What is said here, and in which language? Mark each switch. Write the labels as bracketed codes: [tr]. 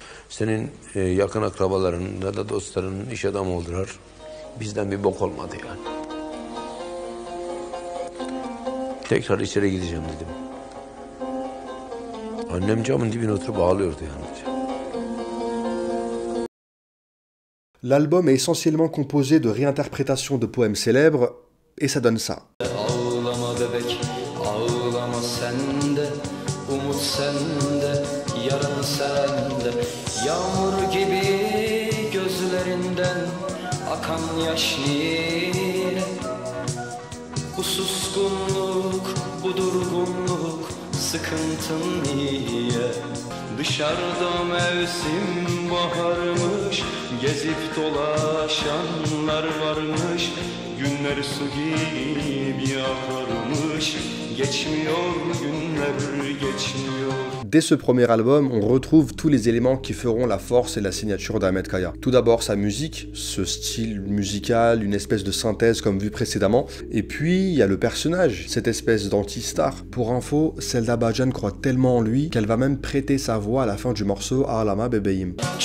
[tr] Senin yakın akrabaların ya da dostların iş adamı oldular. Bizden bir bok olmadı yani. Tekrar içeri gideceğim dedim. Annem camın dibine oturup ağlıyordu yani. [fr] L'album est essentiellement composé de réinterprétations de poèmes célèbres et ça donne ça. [tr] Ağlama bebek, ağlama sen de, umut sen de, yarın sen de. Yağmur gibi gözlerinden akan yaş nire. Bu suskunluk, bu durgunluk sıkıntın niye? Dışarıda mevsim baharmış, gezip dolaşanlar varmış. Günler su gibi akarmış, geçmiyor günler, geçmiyor. [fr] Dès ce premier album, on retrouve tous les éléments qui feront la force et la signature d'Ahmet Kaya. Tout d'abord sa musique, ce style musical, une espèce de synthèse comme vu précédemment. Et puis, il y a le personnage, cette espèce d'anti-star. Pour info, Selda Bajan croit tellement en lui qu'elle va même prêter sa voix à la fin du morceau « Ağlama Bebeğim ».